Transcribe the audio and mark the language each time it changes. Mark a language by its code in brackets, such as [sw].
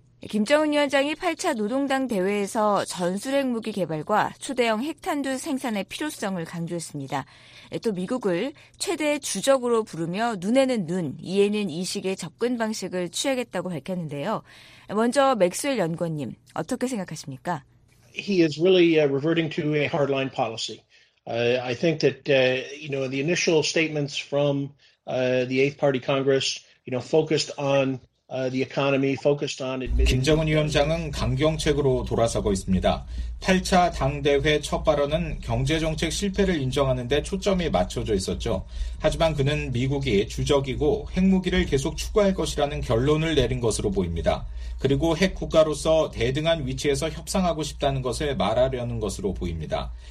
[ko] 김정은 위원장이 8차 노동당 대회에서 전술핵 무기 개발과 초대형 핵탄두 생산의 필요성을 강조했습니다. 또 미국을 최대 주적으로 부르며 눈에는 눈, 이에는 이식의 접근 방식을 취하겠다고 밝혔는데요. 먼저 맥스웰 연구원님, 어떻게 생각하십니까? [en] He is really reverting to a hardline policy. I think that you know the initial statements from the Eighth Party Congress, you know, focused on the economy focused on admitting... [ko] 김정은 위원장은 강경책으로 돌아서고 있습니다. 8차 당대회 첫 발언은 경제정책 실패를 인정하는 데 초점이 맞춰져 있었죠. 하지만 그는 미국이 주적이고 핵무기를 계속 추구할 것이라는 결론을 내린 것으로 보입니다. 그리고 핵국가로서 대등한 위치에서 협상하고 싶다는 것을 말하려는 것으로 보입니다.